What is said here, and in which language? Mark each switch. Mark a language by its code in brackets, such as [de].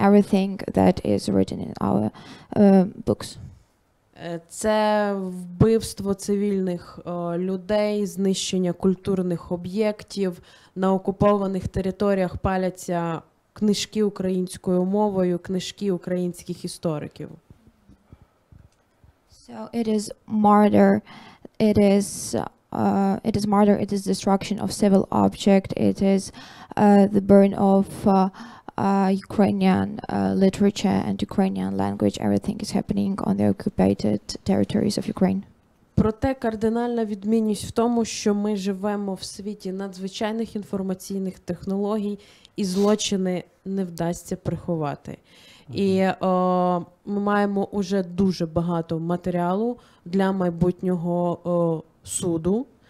[en] Everything that is written in our books. [uk] Це вбивство цивільних людей, знищення культурних об'єктів. На окупованих територіях паляться книжки українською мовою, книжки українських істориків. [en] So it is murder, it is destruction of civil object, it is the burn of Ukrainian literature and Ukrainian language, everything is happening on the occupied territories of Ukraine. [uk] Проте кардинальна відмінність в тому, що ми живемо в світі надзвичайних інформаційних технологій, і злочини не вдасться приховати. І ми маємо уже дуже багато матеріалу для майбутнього суду.